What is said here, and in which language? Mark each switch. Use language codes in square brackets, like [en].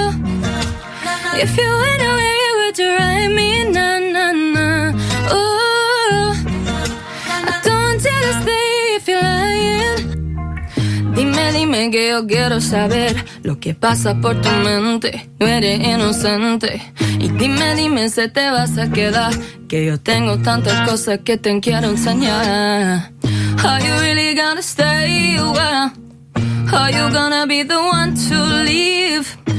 [en] Ooh. If you went away, would you write me? Nah, nah, nah. Ooh. I don't want you to stay if you're lying. [es] Dime, que yo quiero saber lo que pasa por tu mente. No eres inocente. Y dime, si te vas a quedar. Que yo tengo tantas cosas que te quiero enseñar. [en] Are you really gonna stay? Well, are you gonna be the one to leave?